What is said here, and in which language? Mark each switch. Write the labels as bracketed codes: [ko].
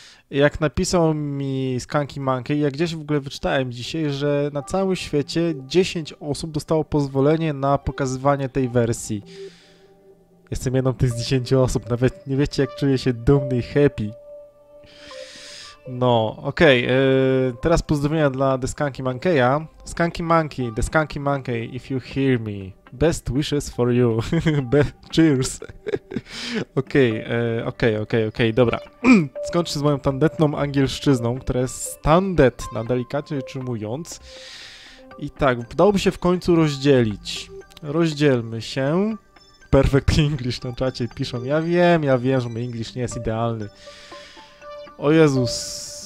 [pl] Jak napisał mi Skanki Monkey, ja gdzieś w ogóle wyczytałem dzisiaj, że na całym świecie 10 osób dostało pozwolenie na pokazywanie tej wersji. Jestem jedną z tych 10 osób, nawet nie wiecie, jak czuję się dumny i happy. No, okej, teraz pozdrowienia dla The Skanki Monkeya. [en] Skanki Monkey, The Skanki Monkey, if you hear me, best wishes for you. [pl] Cheers. Okej, dobra. Skończę z moją tandetną angielszczyzną, która jest tandetna, delikatnie rzecz ujmując. I tak, udałoby się w końcu rozdzielić. Rozdzielmy się. Perfect English na czacie piszą. Ja wiem, że mój English nie jest idealny. O Jezus.